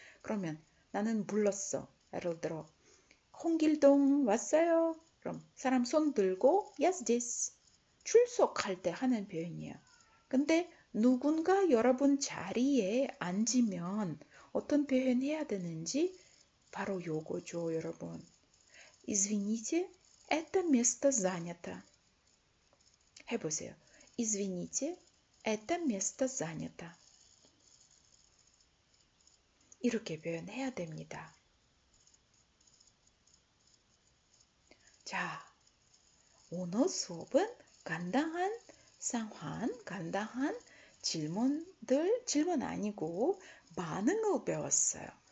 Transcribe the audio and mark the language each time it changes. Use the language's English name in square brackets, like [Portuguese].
[Korean] 그러면 나는 불렀어. 예를 들어 홍길동 왔어요. 그럼 사람 손 들고 [English] Yes, this. [Korean] 출석할 때 하는 표현이에요. 근데 누군가 여러분 자리에 앉으면 어떤 표현 해야 되는지 바로 요거죠, 여러분. [Russian] Извините, это место занято. [Korean] 해보세요. [Russian] Извините, это место занято. [Korean] 이렇게 표현해야 됩니다. 자, 오늘 수업은 간단한 상황, 간단한 질문 아니고 반응을 배웠어요.